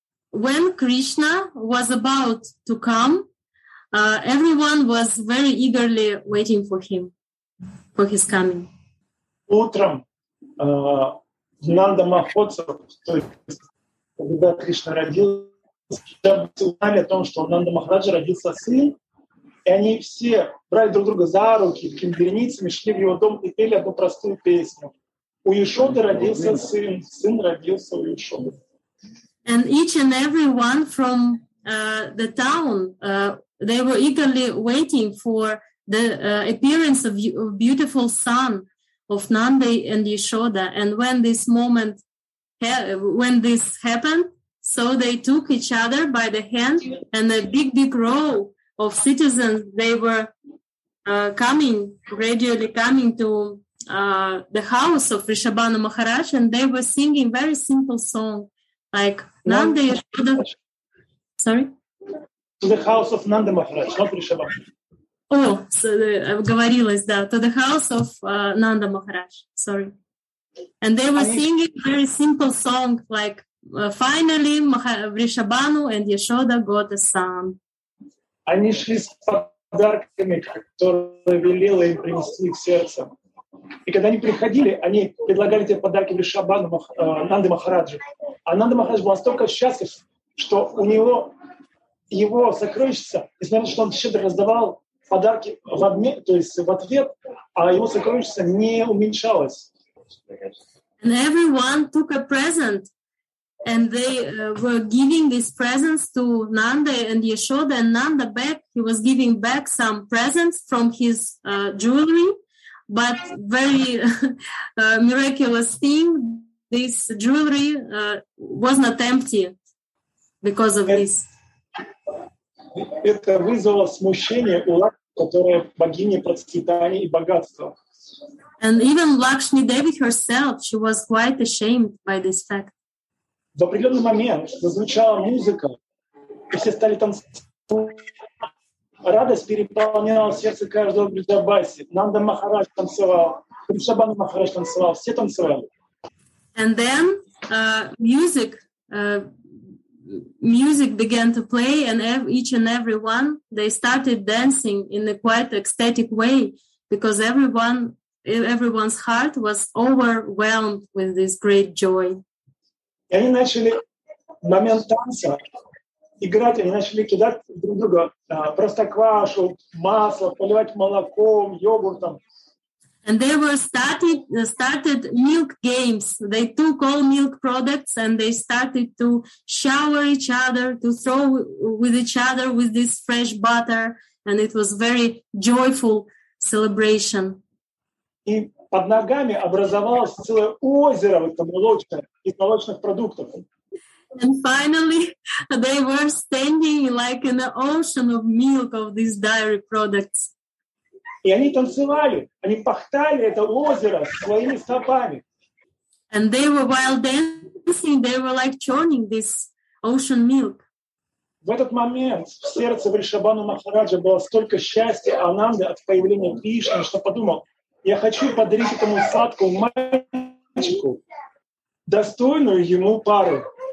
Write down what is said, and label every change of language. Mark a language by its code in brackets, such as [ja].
[en] When Krishna was about to come, everyone was very eagerly waiting for him, for his coming. [ru] Утром Нанда Махотсав, то есть когда Кришна родился, узнали о том, что Нанда Махараджа родился сын, и они все брали друг друга за руки, такими вереницами шли в его дом и пели одну простую песню. У Яшоды родился сын, сын родился у Яшоды. [en] And each and everyone from the town, they were eagerly waiting for the appearance of beautiful son of Nanda and Yashoda. And when this moment, when this happened, so they took each other by the hand, and a big, big row of citizens, they were gradually coming to the house of Vrishabhanu Maharaj, and they were singing very simple song. Like Nanda Yashoda. Sorry? To the house of Nanda Maharaj, not Vrishabhanu. Oh, so [ru] говорилось, да, [en] to the house of Nanda Maharaj, sorry. And they were singing a very simple song, like finally Vrishabhanu and Yashoda got a son. [ru] Они шли с подарками, которые велела им принести их сердцем. И когда они приходили, они предлагали тебе подарки Вришабану Нанды Махараджи. А Нанда Махарадж был настолько счастлив, что у него его сокровищница, несмотря на то, что он щедро раздавал подарки в обмен, то есть в ответ, а его сокровищница не уменьшалась. [en] And everyone took a present, And they were giving these presents to Nanda and Yashoda, and Nanda back, he was giving back some presents from his jewelry. But very miraculous thing, this jewelry was not empty because of this. [ru] Это вызвало смущение у Лакшми, которая богиня процветания и богатства. [en] And even Lakshmi Devi herself, she was quite ashamed by this fact. [ru] В определенный момент зазвучала музыка, и все стали танцевать. Радость переполняла сердце каждого Бриджабаси. Нанда Махарадж танцевал, Ришабана Махарадж танцевал, все танцевали. [en] And then music began to play, and each and every one, they started dancing in a quite ecstatic way, because everyone's heart was overwhelmed with this great joy. [ru] Они начали в момент танца играть, они начали кидать друг друга простоквашу, масло, поливать молоком, йогуртом. [en] And they were started milk games. They took all milk products and they started to shower each other, to throw with each other with this fresh butter. And it was very joyful celebration. [ru] И под ногами образовалось целое озеро молочных продуктов. [en] And finally, they were standing like in an ocean of milk of these dairy products. [ru] И они танцевали, они пахтали это озеро своими стопами. [en] And they were while dancing, they were like churning this ocean milk. [ru] В этот момент в сердце Вришабану Махараджа было столько счастья Ананды от появления Кришны, что подумал, я хочу подарить этому садку мальчику достойную ему пару.